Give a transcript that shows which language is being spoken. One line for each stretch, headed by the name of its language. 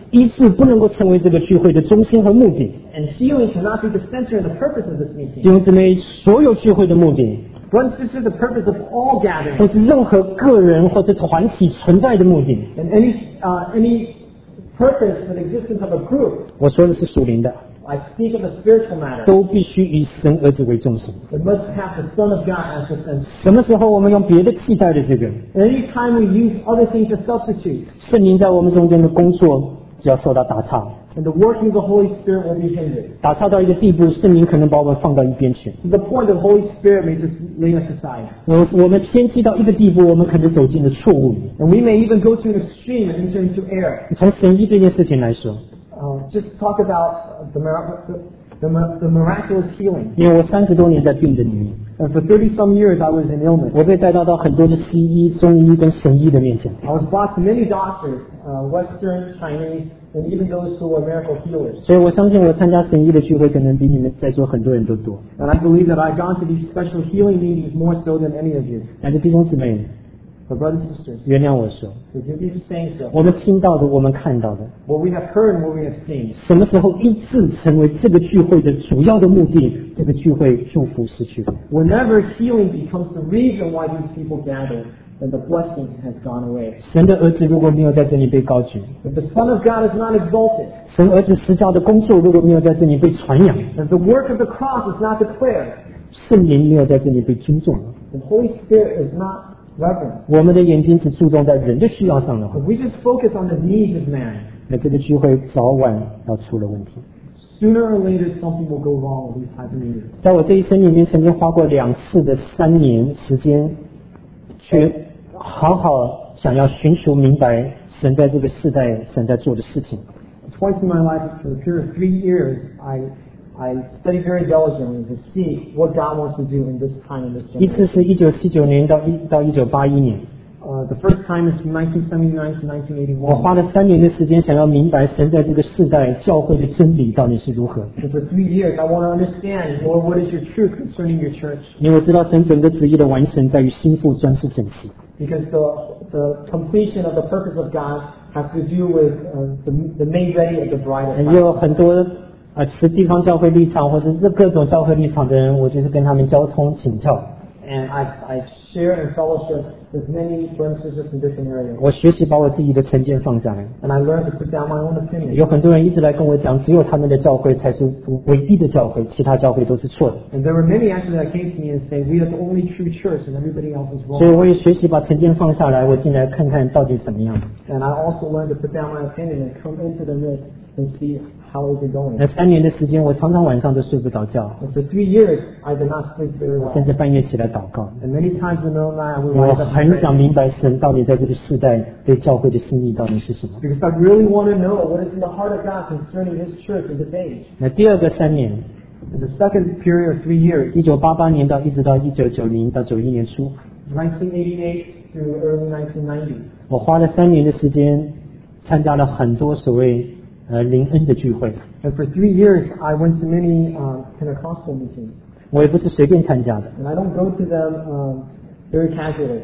Chinese: 医治不能够成为这个聚会的中心和目的。
English: And healing cannot be the center and the purpose of this meeting.
Chinese: 弟兄姊妹，所有聚会的目的，
English: one sister, the purpose of all gatherings,
Chinese: 或是任何个人或者团体存在的目的，
English: and any purpose for the existence of a group,
Chinese: 我说的是属灵的，
English: I speak of a spiritual matter,
Chinese: 都必须以神儿子为中心。
English: It must have the Son of God as the center.
Chinese: 什么时候我们用别的替代的这个？
English: Any time we use other things to substitute,
Chinese: 圣灵在我们中间的工作就要受到打岔。
English: And the working of the Holy Spirit will be hindered.
Chinese: 打岔到一个地步，圣灵可能把我们放到一边去。
English: To the point that the Holy Spirit may just lay us aside.
Chinese: 我们偏激到一个地步，我们可能走进了错误。
English: And we may even go to an extreme and enter into error.
Chinese: 从神医这件事情来说，
English: Just talk about the miraculous healing.
Chinese: 因为我30多年在病的里面。
English: And for 30-some years, I was in illness.
Chinese: 我被带到很多的西医、中医跟神医的面前。
English: I was brought to many doctors, Western, Chinese, and even those who are miracle healers.
Chinese: 所以我相信我参加神医的聚会可能比你们在座很多人都多。
English: And I believe that I've gone to these special healing meetings more so than any of you.
Chinese: 但是弟兄姊妹，
English: But brothers and sisters,
Chinese: 原谅我说，
English: Would you be saying so?
Chinese: 我们听到的，我们看到的，
English: What we have heard and what we have seen.
Chinese: 什么时候医治成为这个聚会的主要的目的，这个聚会祝福失去了。
English: Whenever healing becomes the reason why these people gather, then the blessing has gone away.
Chinese: 神的儿子如果没有在这里被高举，
English: If the Son of God is not exalted,
Chinese: 神儿子十架的工作如果没有在这里被传扬，
English: If the work of the cross is not declared,
Chinese: 圣灵没有在这里被尊重，
English: The Holy Spirit is not reverence. If we just focus on the needs of man, sooner or later something will go wrong with these type of needs.
Chinese: 在我这一生里面，曾经花过两次的三年时间，去好好想要寻求明白神在这个世代神在做的事情。
English: Twice in my life, for a period of 3 years, I studied very diligently to see what God wants to do in this time and this generation.
Chinese: 一次是1979年到1981年。
English: The first time is from 1979 to 1981.
Chinese: 我花了三年的时间想要明白神在这个世代教会的真理到底是如何。
English: So for 3 years, I want to understand, Lord, what is your truth concerning your church?
Chinese: 因为我知道神整个旨意的完成在于心腹专事整齐。
English: Because the completion of the purpose of God has to do with the made ready of the bride of Christ.
Chinese: 也有很多持地方教会立场或者是各种教会立场的人，我就是跟他们交通请教。
English: And I've shared and fellowship with many friends and sisters in different areas.
Chinese: 我学习把我自己的成见放下来。
English: And I learned to put down my own opinion.
Chinese: 有很多人一直来跟我讲，只有他们的教会才是唯一的教会，其他教会都是错的。
English: And there were many actually that came to me and say, we are the only true church and everybody else is wrong.
Chinese: 所以我也学习把成见放下来，我进来看看到底怎么样。
English: And I also learned to put down my opinion and come into the midst and see how is it going.
Chinese: 那三年的时间，我常常晚上都睡不着觉。
English: And for 3 years, I did not sleep very well.
Chinese: 甚至半夜起来祷告。
English: And many times in the middle of the night, I would rise up and pray.
Chinese: 我很想明白神到底在这个世代对教会的心意到底是什么。
English: Because I really want to know what is in the heart of God concerning His church in this age.
Chinese: 那第二个三年。
English: In the second period of 3 years.
Chinese: 1988年到1990年到91年初。
English: 1988 through early 1990.
Chinese: 我花了三年的时间，参加了很多所谓灵恩的聚会。
English: And for 3 years, I went to many Pentecostal meetings.
Chinese: 我也不是随便参加的。
English: And I don't go to them very casually.